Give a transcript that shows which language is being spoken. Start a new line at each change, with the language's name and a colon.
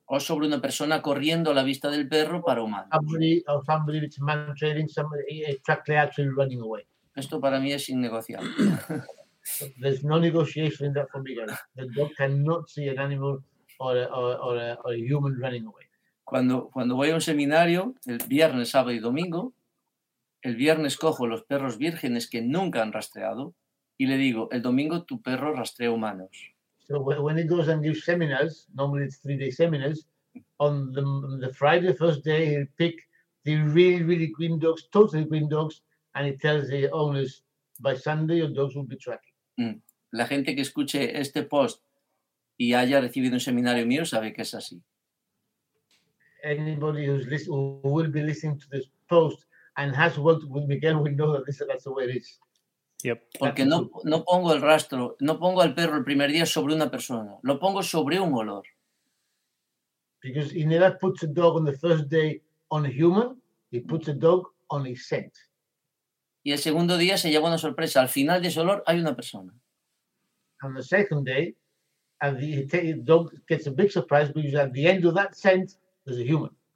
Spanish: O sobre una persona corriendo a la vista del perro para un mal.
English: Somebody with a man trailing, somebody a track actually running away.
Spanish: Esto para mí es innegociable.
English: There's no negotiation in that for me. The dog cannot see an animal or a human running away.
Spanish: Cuando voy a un seminario, el viernes, sábado y domingo, el viernes cojo los perros vírgenes que nunca han rastreado y le digo, el domingo tu perro rastrea humanos.
English: So when he goes and gives seminars, normally it's 3-day seminars, on the Friday, first day, he'll pick the really, really green dogs, totally green dogs, and he tells the owners, by Sunday your dogs will be tracking.
Spanish: La gente que escuche este post y haya recibido un seminario mío sabe que es así.
English: Anybody who will be listening to this post and has worked with Miguel will know that that's the way it is. Yep.
Spanish: Porque no pongo el rastro, no pongo al perro el primer día sobre una persona, lo pongo sobre un olor.
English: Because he never puts a dog on the first day on a human, he puts a dog on a scent.
Spanish: Y el segundo día se lleva una sorpresa, al final de ese olor hay una persona.
English: On the second day, and the dog gets a big surprise because at the end of that scent, as a human.